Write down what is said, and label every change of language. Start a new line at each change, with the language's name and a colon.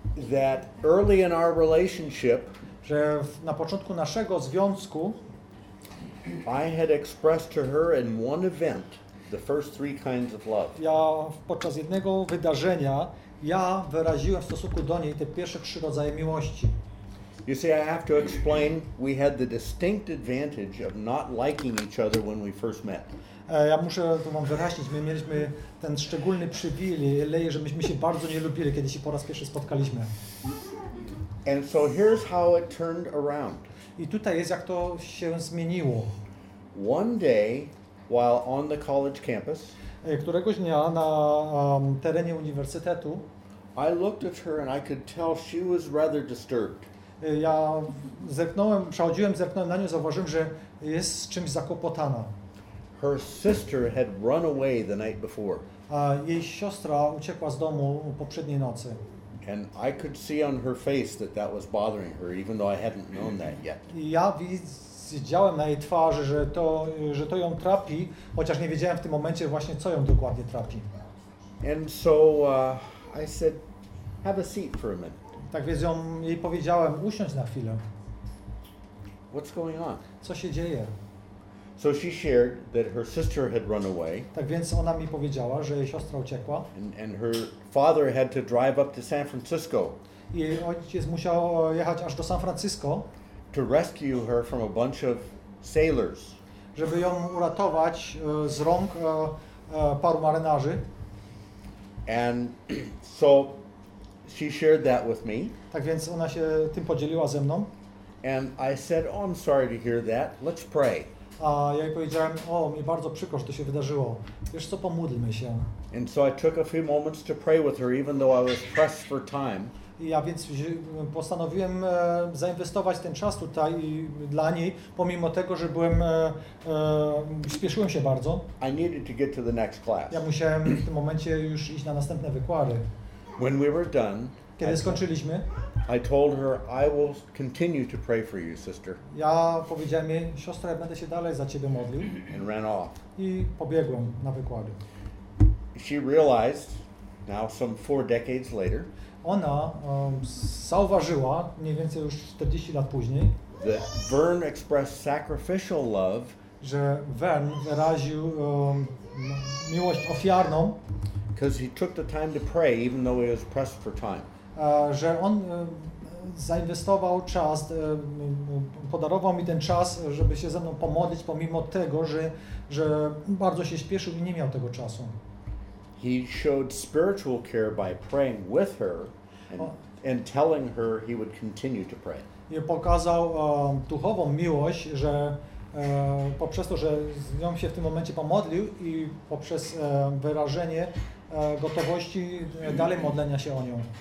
English: That early in our relationship,
Polish: że na początku naszego związku
English: I had expressed to her in one event the first three kinds of love.
Polish: Ja podczas jednego wydarzenia ja wyraziłem w stosunku do niej te pierwsze trzy rodzaje miłości.
English: You see, I have to explain, we had the distinct advantage of not liking each other when we first met.
Polish: Ja muszę to wam wyjaśnić, my mieliśmy ten szczególny przywilej, że myśmy się bardzo nie lubili, kiedy się po raz pierwszy spotkaliśmy.
English: And so here's how it turned around.
Polish: I tutaj jest, jak to się zmieniło.
English: One day, while on the college campus,
Polish: któregoś dnia na terenie uniwersytetu,
English: I looked at her and I could tell she was rather disturbed.
Polish: Ja zerknąłem, przechodziłem, zerknąłem na nią, zauważyłem, że jest z czymś zakłopotana.
English: Her sister had run away the night before.
Polish: Jej siostra uciekła z domu poprzedniej nocy.
English: And I could see on her face that that was bothering her, even though I hadn't known that yet.
Polish: Ja widziałem na jej twarzy, że to ją trapi, chociaż nie wiedziałem w tym momencie właśnie, co ją dokładnie trapi.
English: And so I said, have a seat for a minute.
Polish: Tak więc jej powiedziałem, usiądź na chwilę.
English: What's going on?
Polish: Co się dzieje?
English: So she shared that her sister had run away.
Polish: Tak więc ona mi powiedziała, że jej siostra uciekła.
English: And her father had to drive up to San Francisco.
Polish: I jej ojciec musiał jechać aż do San Francisco.
English: To rescue her from a bunch of sailors.
Polish: Żeby ją uratować z rąk paru marynarzy.
English: And so she shared that with me.
Polish: Tak więc ona się tym podzieliła ze mną.
English: And I said, oh, I'm sorry to hear that. Let's pray.
Polish: A ja jej powiedziałem, o, mi bardzo przykro, że to się wydarzyło. Wiesz co, pomódlmy się.
English: And so I took a few moments to pray with her, even though I was pressed for time.
Polish: I ja więc postanowiłem zainwestować ten czas tutaj dla niej, pomimo tego, że byłem, spieszyłem się bardzo.
English: I needed to get to the next class.
Polish: Ja musiałem w tym momencie już iść na następne wykłady.
English: When we were done,
Polish: kiedy skończyliśmy,
English: I told her, I will continue to pray for you, sister.
Polish: Ja powiedziałem jej, siostra, będę się dalej za ciebie modlił.
English: And ran off.
Polish: I pobiegłem na wykłady.
English: She realized, now some 4 decades later,
Polish: ona zauważyła, mniej więcej już 40 lat później,
English: that Vern expressed sacrificial love,
Polish: że Vern wyraził miłość ofiarną,
English: because he took the time to pray, even though he was pressed for time.
Polish: Że on zainwestował czas, podarował mi ten czas, żeby się ze mną pomodlić, pomimo tego, że bardzo się spieszył i nie miał tego czasu.
English: He showed spiritual care by praying with her and telling her he would continue to pray.
Polish: I pokazał duchową miłość, że poprzez to, że z nią się w tym momencie pomodlił i poprzez wyrażenie gotowości dalej modlenia się o nią.